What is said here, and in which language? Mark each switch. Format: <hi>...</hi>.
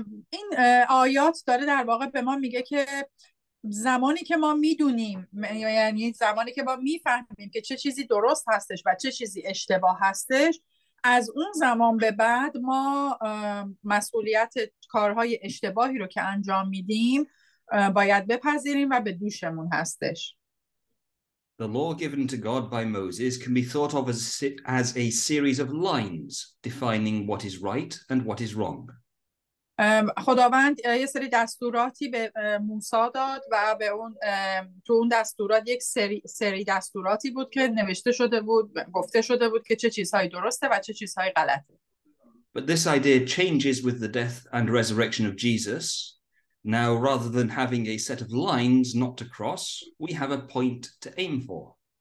<fa>این آیات داره در واقع به ما میگه که زمانی که ما میدونیم، یعنی زمانی که ما میفهمیم که چه چیزی درست هستش و چه چیزی اشتباه هستش، از اون زمان به بعد ما مسئولیت کارهای اشتباهی رو که انجام میدیم باید بپذیریم و به دوشمون هستش.</fa> <en>The law given to God by Moses can be thought of as a series of lines defining what is right and what is wrong.</en> <fa>خداوند یه سری دستوراتی به موسی داد و به اون تو اون دستورات یک سری دستوراتی بود که نوشته شده بود، گفته شده بود که چه چیزهایی درسته و چه چیزهایی غلطه.</fa> <en>But this idea changes with the death and resurrection of Jesus. Now, rather than having a set of lines not to cross, we have a point to aim for.</en>